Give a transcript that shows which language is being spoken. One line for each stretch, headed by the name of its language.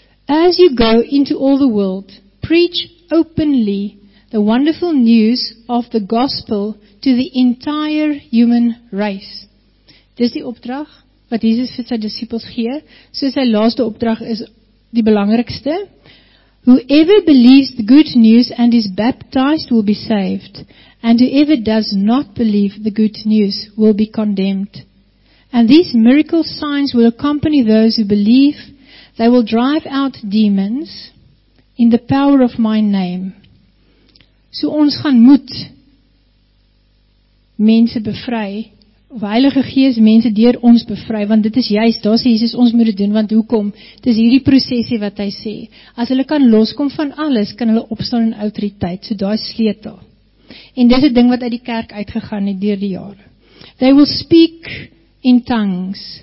English: as you go into all the world, preach openly the wonderful news of the gospel to the entire human race.
Afrikaans: Dis die opdrag wat Jesus vir sy disciples gee, soos sy laaste opdrag is die belangrikste.
English: Whoever believes the good news and is baptized will be saved, and whoever does not believe the good news will be condemned. And these miracle signs will accompany those who believe. They will drive out demons in the power of my name.
Afrikaans: So ons gaan moet mense bevry of Heilige Gees mense deur ons bevry, want dit is juist, daar sê Jesus, ons moet dit doen, want hoekom? Dit is hierdie prosesie wat hy sê. As hulle kan loskom van alles, kan hulle opstaan in autoriteit, so daar is sleutel. En dis die ding wat uit die kerk uitgegaan het deur die jare.
English: They will speak in tongues.